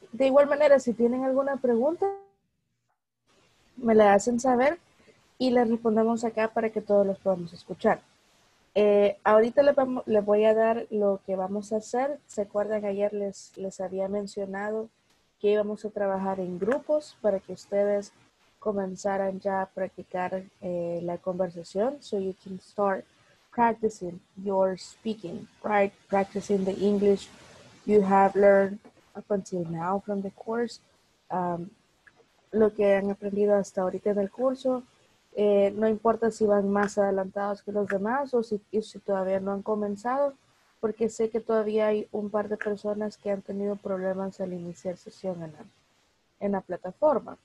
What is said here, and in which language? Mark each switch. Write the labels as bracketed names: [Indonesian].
[Spanish] De igual manera, si tienen alguna pregunta, me la hacen saber y la respondemos acá para que todos los podamos escuchar. Ahorita les voy a dar lo que vamos a hacer. ¿Se acuerdan? Ayer les había mencionado que íbamos a trabajar en grupos para que ustedes comenzaran ya a practicar la conversación. [English] So you can start practicing your speaking, right? Practicing the English you have learned up until now from the course. [Spanish] Lo que han aprendido hasta ahorita en el curso, no importa si van más adelantados que los demás o si todavía no han comenzado, porque sé que todavía hay un par de personas que han tenido problemas al iniciar sesión en la plataforma.